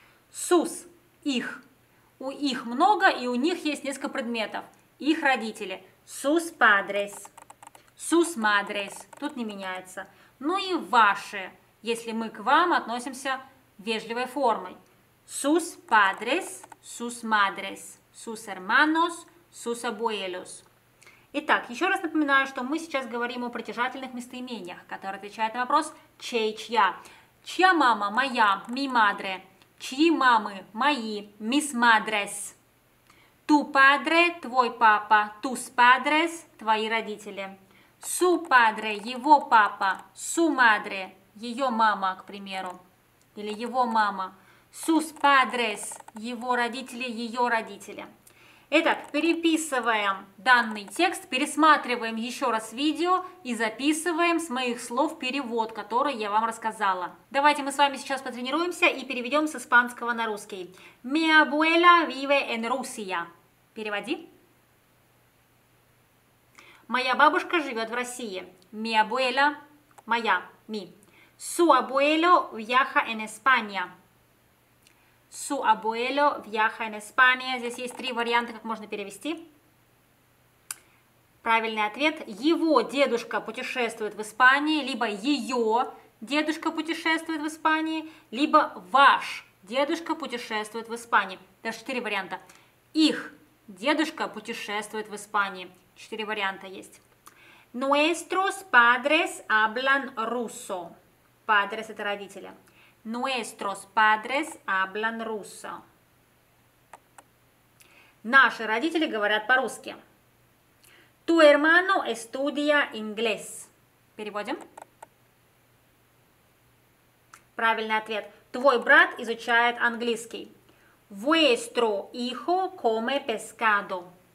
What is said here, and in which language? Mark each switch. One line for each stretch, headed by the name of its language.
Spanish: Sus –
Russian: их. У их много, и у них есть несколько предметов. Их родители.
Spanish: Sus padres. Sus madres.
Russian: Тут не меняется. Ну и ваши, если мы к вам относимся вежливой формой.
Spanish: Sus padres, sus madres, sus hermanos, sus abuelos.
Russian: Итак, еще раз напоминаю, что мы сейчас говорим о притяжательных местоимениях, которые отвечают на вопрос «чей, чья?». Чья мама? Моя.
Spanish: Mi madre.
Russian: Чьи мамы? Мои.
Spanish: Mis madres. Tu padre
Russian: – твой папа.
Spanish: Tus padres
Russian: – твои родители.
Spanish: Su padre
Russian: – его папа.
Spanish: Su madre
Russian: – ее мама, к примеру. Или его мама.
Spanish: Sus padres
Russian: – его родители, ее родители. Итак, переписываем данный текст, пересматриваем еще раз видео и записываем с моих слов перевод, который я вам рассказала. Давайте мы с вами сейчас потренируемся и переведем с испанского на русский.
Spanish: Mi abuela vive en Rusia.
Russian: Переводи. Моя бабушка живет в России.
Spanish: Mi abuela –
Russian: моя,
Spanish: mi. Su abuelo viaja en España. Su abuelo viaja en España.
Russian: Здесь есть три варианта, как можно перевести. Правильный ответ. Его дедушка путешествует в Испании, либо ее дедушка путешествует в Испании, либо ваш дедушка путешествует в Испании. Даже четыре варианта. Их дедушка путешествует в Испании. Четыре варианта есть.
Spanish: Nuestros padres hablan ruso.
Russian: Padres – это родители.
Spanish: Nuestros padres hablan ruso.
Russian: Наши родители говорят по-русски.
Spanish: Tu hermano estudia inglés.
Russian: Переводим. Правильный ответ. Твой брат изучает английский.
Spanish: Vuestro hijo come pescado.